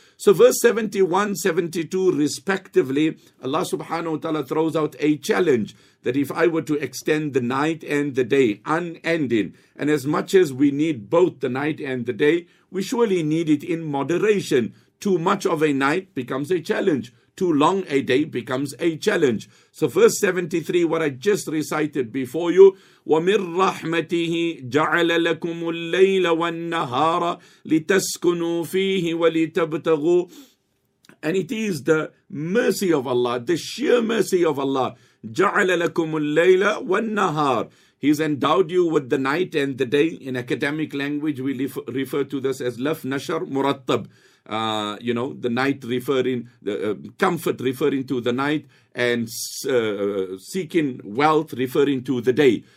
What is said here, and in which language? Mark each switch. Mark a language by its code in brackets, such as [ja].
[en] So verse 71, 72 respectively, Allah subhanahu wa ta'ala throws out a challenge that if I were to extend the night and the day unending, and as much as we need both the night and the day, we surely need it in moderation. Too much of a night becomes a challenge. Too long a day becomes a challenge. So verse 73, what I just recited before you, [ar] وَمِنْ رَحْمَتِهِ جَعَلَ لَكُمُ اللَّيْلَ وَالنَّهَارَ لِتَسْكُنُوا فِيهِ وَلِتَبْتَغُوا. [en] And it is the mercy of Allah, the sheer mercy of Allah. [ar] جَعَلَ لَكُمُ اللَّيْلَ وَالنَّهَارَ. [en] He's endowed you with the night and the day. In academic language, we refer to this as [ar] لَفْ نَشَرْ مُرَتَّبْ. [en] The night referring, comfort referring to the night, and seeking wealth referring to the day.